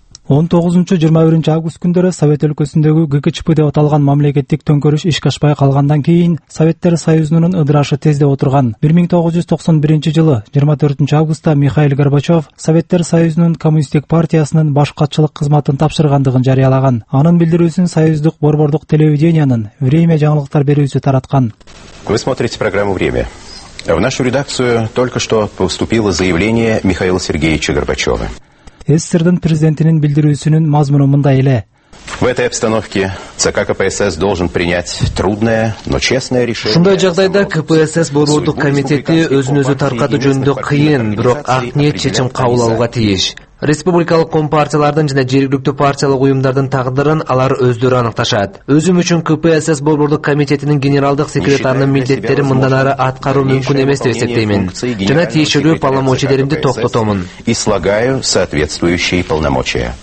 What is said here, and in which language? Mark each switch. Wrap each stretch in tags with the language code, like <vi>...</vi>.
<ky>19-21 август күндөрү Совет өлкөсүндөгү ГКЧП деп аталган мамлекеттик төңкөрүш ишке ашпай калгандан кийин Советтер Союзунун ыдырашы тездеп отурган. 1991 жылы 24 августта Михаил Горбачев Советтер Союзунун Коммунисттик партиясынын баш катчылык кызматын тапшыргандыгын жарыялаган. Анын билдирүүсүн Союздук борбордук телевидениянын Время жаңылыктар берүүсү тараткан.</ky> <ru>Вы смотрите программу Время. В нашу редакцию только что поступило заявление Михаила Сергеевича Горбачева.</ru> <ky>СССР-дин президентинин билдирүүсүнүн мазмуну мындай эле.</ky> <ru>В этой обстановке ЦК КПСС должен принять трудное, но честное решение.</ru> <ky>Шундай жагдайда КПСС борбордук комитети өзүн-өзү таркатуу жөнүндө кыйын, бирок ак ниет чечим кабыл алууга тийиш. Республикалык компартиялардын жана жергиликтүү партиялык уюмдардын тагдырын алар өздөрү аныкташат. Өзүм үчүн КПСС борбордук комитетинин генералдык секретарынын милдеттерин мындан ары аткаруу мүмкүн эмес деп эсептеймин жана тиешелүү полномочилеримди токтотомун.</ky> <ru>И слагаю соответствующие полномочия.</ru>